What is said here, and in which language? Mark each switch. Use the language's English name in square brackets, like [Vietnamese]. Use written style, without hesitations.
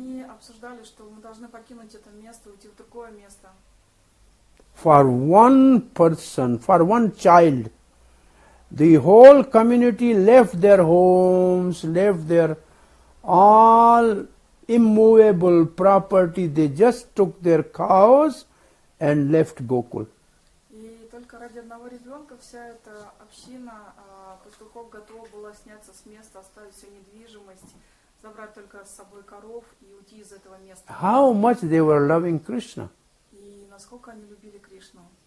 [Russian] Обсуждали, что мы должны покинуть это место, уйти в такое место. [English] For one person, for one child, the whole community left their homes, left their all immovable property. They just took their cows and left Gokul. [Russian] И только ради одного ребенка вся эта община пастухов готова была сняться с места, оставить всю недвижимость, забрать только с собой коров и уйти из этого места. [English] How much they were loving Krishna. [Russian] И насколько они любили Кришну.